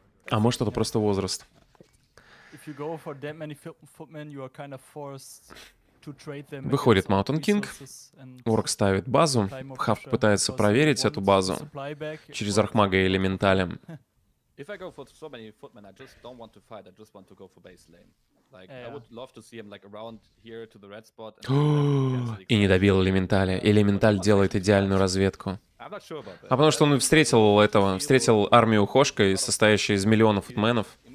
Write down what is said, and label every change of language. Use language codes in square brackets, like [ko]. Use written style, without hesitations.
[ru] А может, это просто возраст? Выходит Mountain King, Орк ставит базу, Хавк пытается проверить эту базу через Архмага и Элементаля. [en] If I go for so many footmen, I just don't want to fight. I just want to go for base lane. Like yeah. I would love to see him like around here to the red spot. [ru] И не добил Элементаля. Элементаль делает идеальную разведку. А потому что он встретил армию Хошка, состоящую из миллионов футменов.